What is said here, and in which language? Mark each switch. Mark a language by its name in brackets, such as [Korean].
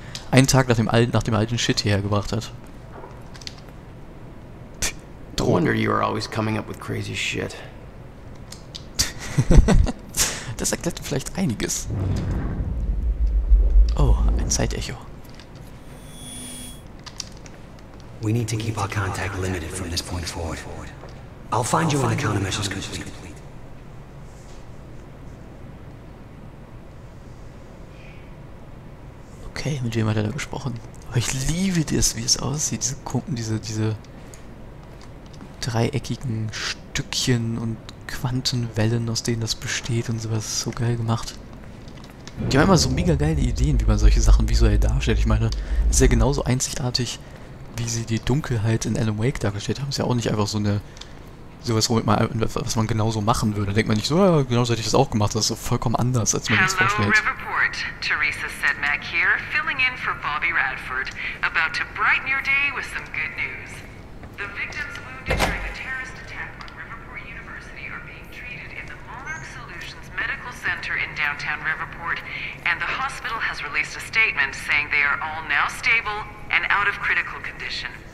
[German] Einen Tag nachdem alten Shit hierher gebracht hat. [English] No wonder you are always coming up with crazy shit. [German] Das erklärt vielleicht einiges. Oh, ein Zeitecho. [English] We need to keep our contact limited from this point forward. I'll find you when the countermeasures complete. [German] Okay, mit wem hat er da gesprochen? Aber ich liebe das, wie es aussieht. Diese Kumpen, diese dreieckigen Stückchen und Quantenwellen, aus denen das besteht und sowas, so geil gemacht. Die haben immer so mega geile Ideen, wie man solche Sachen visuell darstellt. Ich meine, ist ja genauso einzigartig, wie sie die Dunkelheit in Alan Wake dargestellt haben. Ist ja auch nicht einfach so eine, sowas, womit man, was man genauso machen würde. Da denkt man nicht so, ja, genauso hätte ich das auch gemacht. Das ist so vollkommen anders, als man das vorstellt. [English] Theresa Sedmak hier, filling in for Bobby Radford, about to brighten your day with some good news. The victims wounded during the terrorist attack on Riverport University are being treated in the Monarch Solutions Medical Center in downtown Riverport, and the hospital has released a statement saying they are all now stable and out of critical condition.